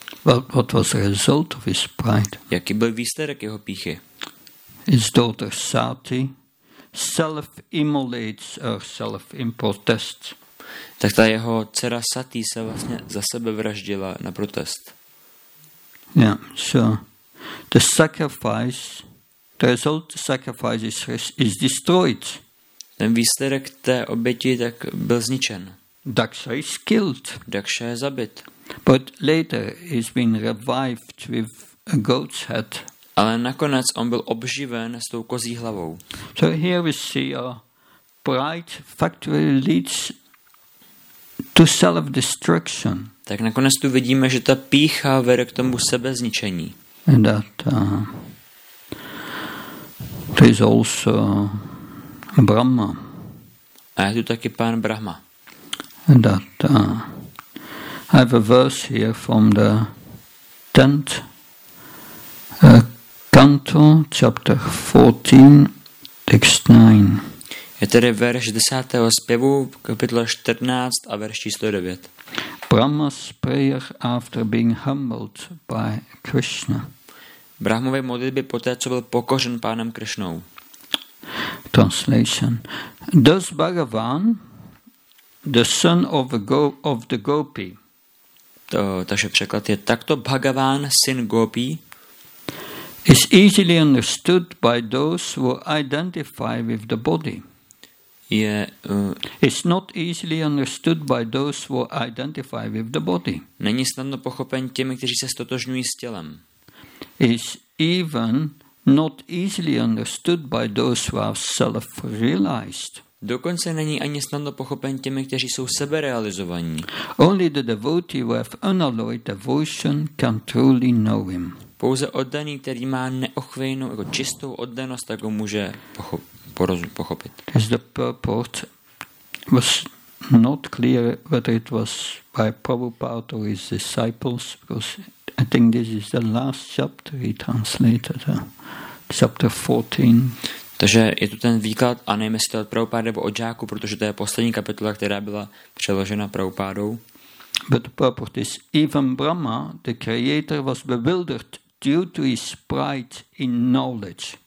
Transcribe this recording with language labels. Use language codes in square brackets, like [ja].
[en] What was the result of his pride? [cs] Jaký byl výsledek jeho pýchy? [en] His daughter Sati self-immolates herself in protest. [cs] Tak ta jeho dcera Sati se vlastně za sebe vraždila na protest. [en] Yeah, so the sacrifice, the result of the sacrifice is destroyed. [cs] Ten výsledek té oběti tak byl zničen. [en] Daksha is killed. [cs] Daksha je zabit. [en] But later he's been revived with a goat's head. [cs] Ale nakonec on byl obživen s tou kozí hlavou. [en] So here we see a pride factory leads to self-destruction. [cs] Tak nakonec tu vidíme, že ta pýcha vede k tomu sebezničení. [en] And that there is also Brahma. [cs] A je tu taky pán Brahma. [en] And that I have a verse here from the 10th canto, chapter 14, text 9. [cs] Je tady verš 10. zpěvu, kapitola 14 a verš číslo 9. [en] Brahma's prayer after being humbled by Krishna. [cs] Brahmovy modlitby poté, co byl pokořen pánem Krishnou. [en] Translation. Thus Bhagavan, the son of the Gopi. [cs] To, takže překlad je takto Bhagavan, syn Gopi. [en] Is easily understood by those who identify with the body. It's not easily understood by those who identify with the body. [cs] Není snadno pochopen těmi, kteří se stotožňují s tělem. [en] Is even not easily understood by those who are self-realized. [cs] Dokonce není ani snadno pochopen těmi, kteří jsou seberealizovaní. [en] Only the devotee who have unalloyed devotion can truly know him. [cs] Pouze oddaný, který má neochvějnou, jako čistou oddanost, tak ho může pochopit. [en] As the purport was not clear whether it was by Prabhupada or his disciples, because I think this is the last chapter he translated, chapter 14. [cs] Takže je to ten výklad, a nevím, jestli to od Prabhupada nebo od žáku, protože to je poslední kapitola, která byla přeložena Prabhupádou. [en] But the purport is, even Brahma, the creator, was bewildered due to his pride in knowledge.